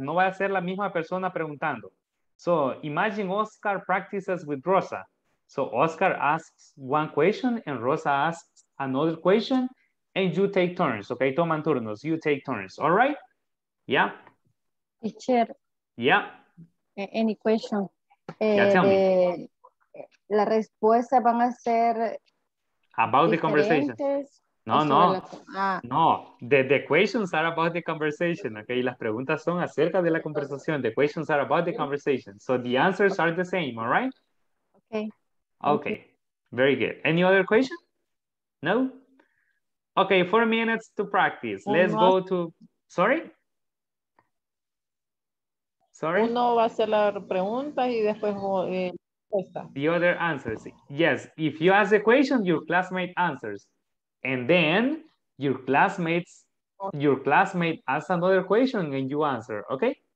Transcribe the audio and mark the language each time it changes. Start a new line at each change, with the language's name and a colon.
Spanish: No va a ser la misma persona preguntando.
English: So imagine Oscar practices with Rosa. So Oscar asks one question and Rosa asks another question and you take turns, okay?
Spanish: Toman turnos,
English: you take turns, all right? Yeah. Teacher. Yeah. Any question? Tell me.
Spanish: La respuesta van a ser...
English: About the conversation. No. The questions are about the conversation, okay?
Spanish: Las preguntas son acerca de la conversación.
English: The questions are about the conversation. So the answers are the same, all right? Okay. Okay, very good. Any other question? No? Okay, 4 minutes to practice. Let's go to... Sorry? Sorry?
Spanish: Uno va a hacer la pregunta y después respuesta.
English: The other answers. Yes, if you ask a question, your classmate answers. And then your classmate asks another question and you answer, okay?